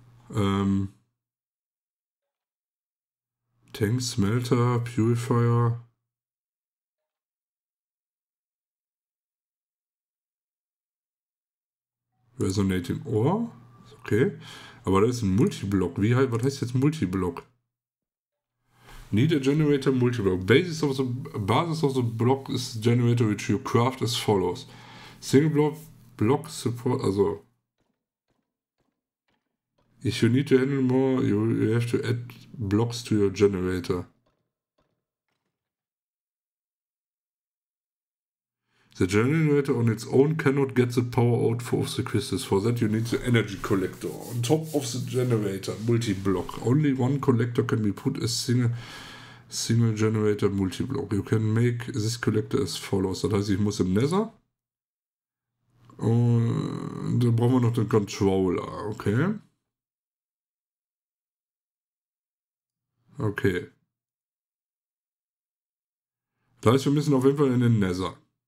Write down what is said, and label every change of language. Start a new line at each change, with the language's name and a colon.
English: Tank, Smelter, Purifier. Resonating Ore. Okay.
German: Aber das ist ein Multiblock. Was heißt jetzt Multiblock?
English: Need a generator multiblock. Basis of the block is generator which you craft as follows. Single block support, also. If you need to handle more, you have to add blocks to your generator. The generator on its own cannot get the power out of the crystals. For that you need the energy collector on top of the generator multi-block. Only one collector can be put as single generator multi-block. You can make this collector as follows.
German: Das heißt, ich muss im Nether. Und dann brauchen wir noch den Controller. Okay. Okay. Das heißt, wir müssen auf jeden Fall in den Nether.